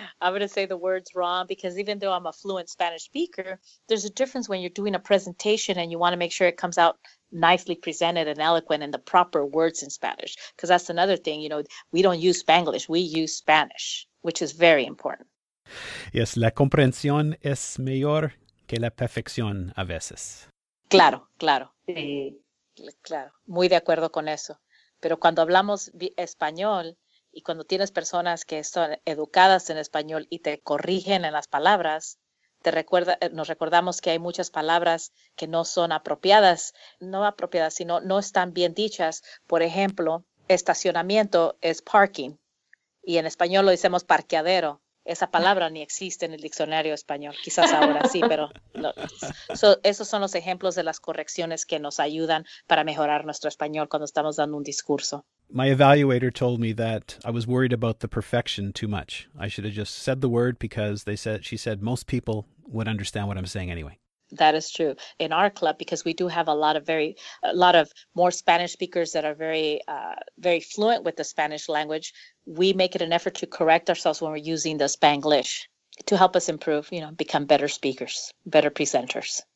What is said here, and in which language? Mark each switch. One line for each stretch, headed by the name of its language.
English: I'm going to say the words wrong, because even though I'm a fluent Spanish speaker, there's a difference when you're doing a presentation and you want to make sure it comes out nicely presented and eloquent in the proper words in Spanish. Because that's another thing, you know, we don't use Spanglish, we use Spanish, which is very important.
Spanish: Yes, la comprensión es mejor que la perfección a veces. Claro, claro. Sí. Claro, muy de acuerdo con eso. Pero cuando hablamos español y cuando tienes personas que son educadas en español y te corrigen en las palabras, nos recordamos que hay muchas palabras que no son apropiadas, no apropiadas, sino no están bien dichas. Por ejemplo, estacionamiento es parking. Y en español lo decimos parqueadero. Esa palabra ni existe en el diccionario español. Quizás ahora sí, pero no. So, esos son los ejemplos de las correcciones que nos ayudan para mejorar nuestro español cuando estamos dando un discurso.
English: My evaluator told me that I was worried about the perfection too much. I should have just said the word because she said most people would understand what I'm saying anyway. That is true. In our club, because we do have a lot of more Spanish speakers that are very, very fluent with the Spanish language, we make it an effort to correct ourselves when we're using the Spanglish to help us improve, you know, become better speakers, better presenters.